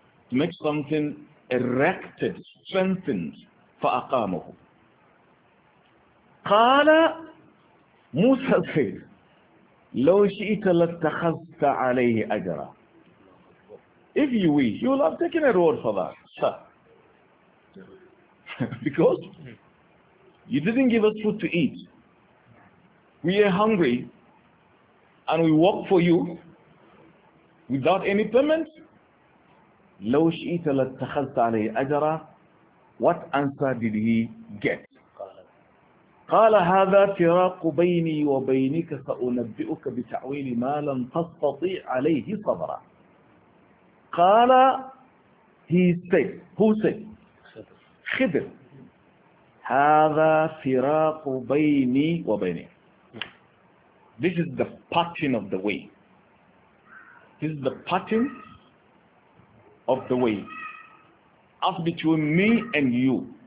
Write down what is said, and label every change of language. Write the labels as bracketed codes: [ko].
[en] To make something erected, strengthened, [ar] فَأَقَامَهُ قَالَ مُوسَى الْخِيرِ لَوْ شِئِتَ لَتَّخَذْتَ عَلَيْهِ أَجْرًا. [en] If you wish, you will have taken a reward for that, sir. Because you didn't give us food to eat. We are hungry and we work for you without any payment. [ar] لو شئت لاتخذت عليه أجرا. [en] What answer did he get? [ar] قال هذا فراق بيني وبينك سأنبئك بتعويل ما لم تستطيع عليه صبرا. قال [en] he said, who said? [ar] خضر. هذا فراق بيني وبينك. [en] This is the parting of the way. This is the parting of the way, as between me and you.